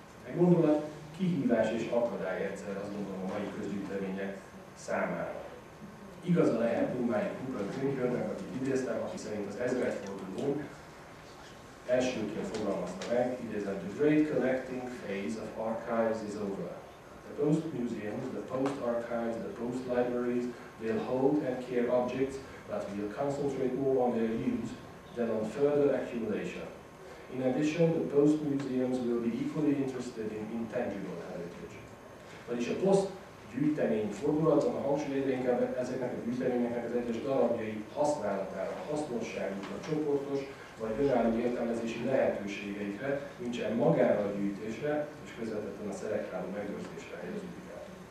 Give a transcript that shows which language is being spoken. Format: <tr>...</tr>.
<hu>Egy gondolat kihívás és akadály egyszer, azt gondolom, a mai közgyűjtemények számára. Igaza lehet Dumáin Kupra Grünkörnek, akit idéztem, aki szerint az ezredforduló elsőként fogalmazta meg, idézett,</hu> <en>the great collecting phase of archives is over. The post museums, the post archives, the post libraries will hold and care objects, but will concentrate more on their use than on further accumulation. In addition, the post museums will be equally interested in intangible heritage.</en> <hu>Vagyis a post gyűjtemény fordulaton a hangsúly egyre inkább ezeknek a gyűjteményeknek az egyes darabjai használatára, hasznosságukra, csoportos vagy önálló értelmezési lehetőségeikre, nincsen magára a gyűjtésre és közvetetten a szelektáló megőrzésre helyeződik el.</hu>